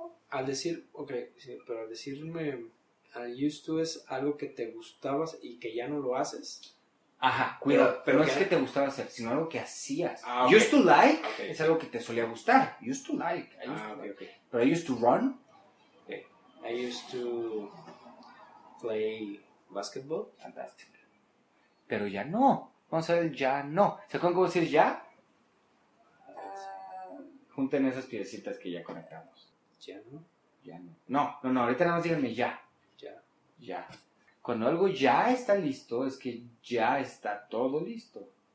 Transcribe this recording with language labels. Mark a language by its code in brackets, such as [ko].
[es] Al decir, okay, sí, pero al decirme, al used to es algo que te gustabas y que ya no lo haces. Ajá, cuidado, pero no que es que te gustaba hacer, sino algo que hacías. Ah, okay. [en] Used to like okay. [es] Es algo que te solía gustar. [en] Used to like. Okay. Pero I used to run. Okay. I used to play basketball. [es] Fantastic. Pero ya no. Vamos a ver, ya no. ¿Se acuerdan cómo decir ya? Junten esas piecitas que ya conectamos. ¿Ya no? Ya no. No, no, no, ahorita nada más díganme ya. Ya. Ya. Cuando algo ya está listo, es que ya está todo listo.